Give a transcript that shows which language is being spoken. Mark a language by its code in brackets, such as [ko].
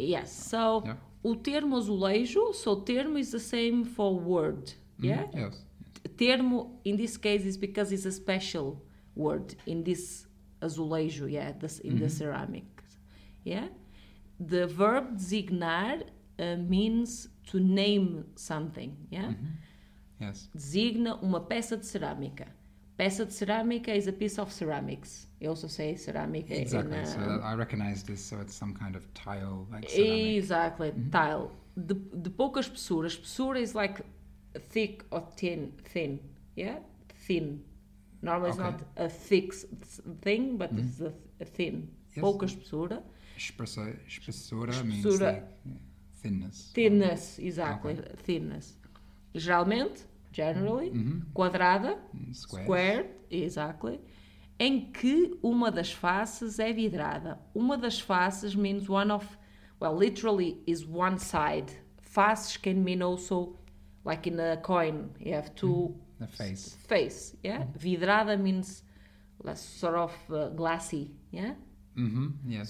[en] Yes. So, yeah. [pt] O termo azulejo, [en] so termo is the same for word, mm-hmm. Yeah? Yes. Termo, in this case, is because it's a special word in this azulejo, yeah, this, in mm-hmm. the ceramics. Yeah? The verb designar means to name something, yeah? Mm-hmm. Yes. [pt] Designa uma peça de cerâmica. Peça de cerâmica [en] is a piece of ceramics. You also say ceramic. Exactly. In, so I recognize this. So it's some kind of tile, like ceramic. Exactly. Mm-hmm. Tile. [pt] De pouca espessura. [en] Espessura is like thick or thin. Thin. Yeah? Thin. Normally it's not a thick thing, but it's a thin. [pt] Yes. Pouca espessura. [en] Espessura means like thinness. Thinness. Exactly. Okay. Thinness. Geralmente. Generally, quadrada, squared, [pt] exactly, em que uma das faces é vidrada. Uma das faces [en] means one of, well, literally is one side. Faces can mean also, like in a coin, you have two... A face. Face, yeah? Mm-hmm. Vidrada means less sort of glassy, yeah? Mm-hmm. Yes.